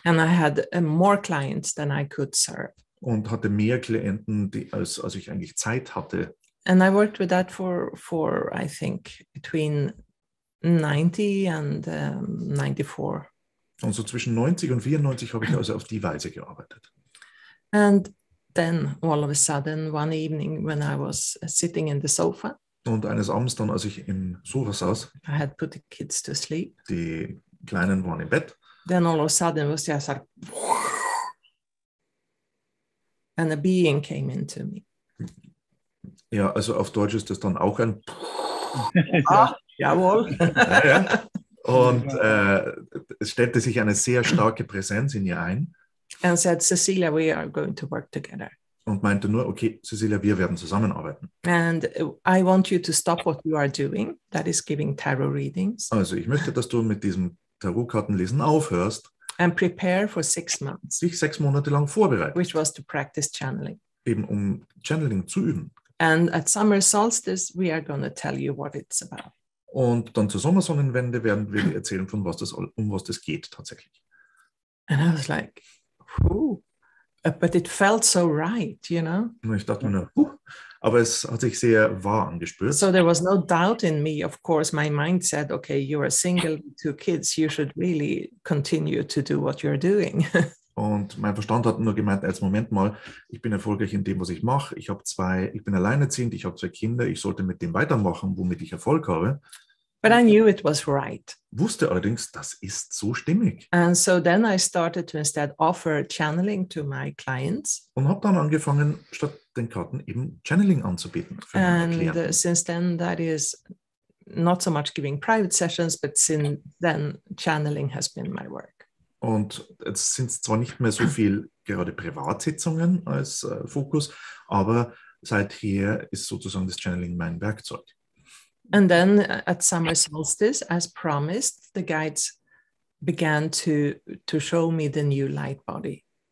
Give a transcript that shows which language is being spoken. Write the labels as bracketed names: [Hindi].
[English] And I had more clients than I could serve. [German] Und hatte mehr Klienten, die als ich eigentlich Zeit hatte. [English] And I worked with that for I think between 90 and 94. [German] Und so zwischen 90 und 94 habe ich also auf die Weise gearbeitet. [English] And then all of a sudden one evening when I was sitting in the sofa. [German] Und eines Abends dann, als ich im Sofa saß, [English] I had put the kids to sleep. [German] Die Kleinen waren im Bett. [English] Then all of a sudden was just like, and a being came into me. [German] Ja, also auf Deutsch ist das dann auch ein. Ah, jawohl. Ja, ja. Und es stellte sich eine sehr starke Präsenz in ihr ein. [English] And said, Cecilia, we are going to work together. [German] Und meinte nur, okay, Cecilia, wir werden zusammenarbeiten. [English] And I want you to stop what you are doing, that is giving tarot readings. [German] Also ich möchte, dass du mit diesem Tarotkartenlesen aufhörst. [English] And prepare for 6 months. [German] Sich 6 Monate lang vorbereiten. [English] Which was to practice channeling. [German] Eben um Channeling zu üben. [English] And at summer solstice, we are going to tell you what it's about. [German] Und dann zur Sommersonnenwende werden wir dir erzählen, von was das, um was das geht tatsächlich. [English] And I was like, but it felt so right, you know. [German] Und ich dachte mir nur, aber es hat sich sehr wahr angespürt. [English] So there was no doubt in me, of course. My mind said, okay, you are single with 2 kids, you should really continue to do what you're doing. [German] Und mein Verstand hat nur gemeint, als Moment mal, ich bin erfolgreich in dem, was ich mache. Ich bin alleinerziehend, ich habe 2 Kinder. Ich sollte mit dem weitermachen, womit ich Erfolg habe. [English] But I knew it was right. [German] Wusste allerdings, das ist so stimmig. [English] And so then I started to instead offer channeling to my clients. [German] Und habe dann angefangen, statt den Karten eben Channeling anzubieten. [English] Since then that is not so much giving private sessions, but since then channeling has been my work. [German] Und jetzt sind es zwar nicht mehr so viel gerade Privatsitzungen als Fokus, aber seither ist sozusagen das Channeling mein Werkzeug. [English] And then at summer solstice, as promised, the guides began to show me the new light body.